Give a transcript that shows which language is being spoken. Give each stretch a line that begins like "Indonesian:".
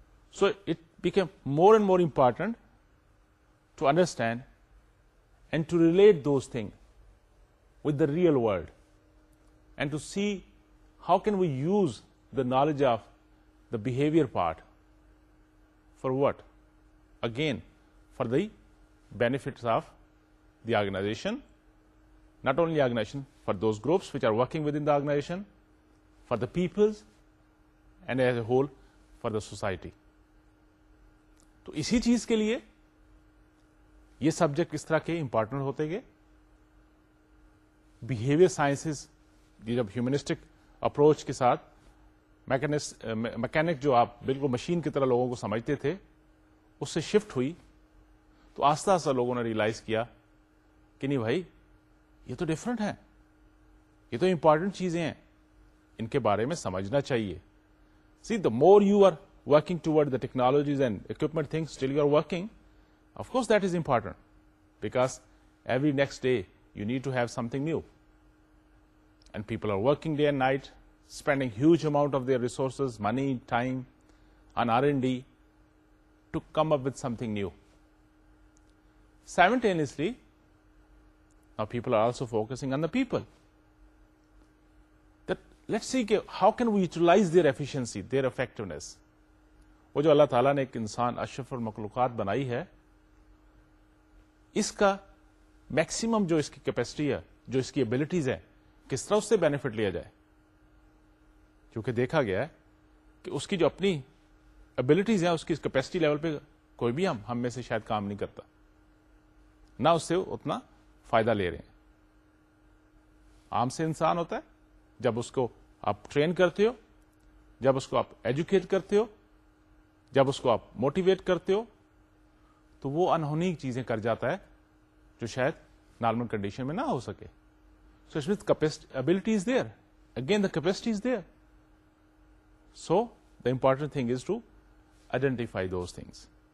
English: So it became more and more important to understand and to relate those things with the real world and to see how can we use the knowledge of the behavior part for what? Again, for the benefits of the organization, not only organization, for those groups which are working within the organization, for the peoples, and as a whole, for the society.
Urdu: تو اسی چیز کے لیے یہ subject کس طرح کے important ہوتے گئے. بہیویئر سائنسز جب ہیومنسٹک اپروچ کے ساتھ میکینک جو آپ بالکل مشین کی طرح لوگوں کو سمجھتے تھے اس سے شفٹ ہوئی تو آہستہ آہستہ لوگوں نے ریئلائز کیا کہ نہیں بھائی یہ تو ڈفرنٹ ہیں, یہ تو امپورٹنٹ چیزیں ہیں, ان کے بارے میں سمجھنا چاہیے.
English: See the more you are working toward the technologies and equipment things still you are working, of course that is important because every next day you need to have something new and people are working day and night, spending huge amount of their resources, money, time on R&D to come up with something new. Simultaneously, now people are also focusing on the people. That let's see how can we utilize their efficiency, their effectiveness.
Urdu: وہ جو اللہ تعالیٰ نے ایک انسان اشرف المخلوقات بنائی ہے اس کا میکسیمم جو اس کی کیپیسٹی ہے, جو اس کی ابلٹیز ہیں, کس طرح اس سے بینیفٹ لیا جائے. کیونکہ دیکھا گیا ہے کہ اس کی جو اپنی ابلٹیز ہیں اس کی کیپیسٹی لیول پہ کوئی بھی ہم میں سے شاید کام نہیں کرتا, نہ اس سے اتنا فائدہ لے رہے ہیں. عام سے انسان ہوتا ہے جب اس کو آپ ٹرین کرتے ہو, جب اس کو آپ ایجوکیٹ کرتے ہو, جب اس کو آپ موٹیویٹ کرتے ہو, تو وہ انہونی چیزیں کر جاتا ہے جو شاید نارمل کنڈیشن میں نہ ہو سکے.
English: So it was capacity ability is there, again the capacity is there. So the important thing is to identify those things.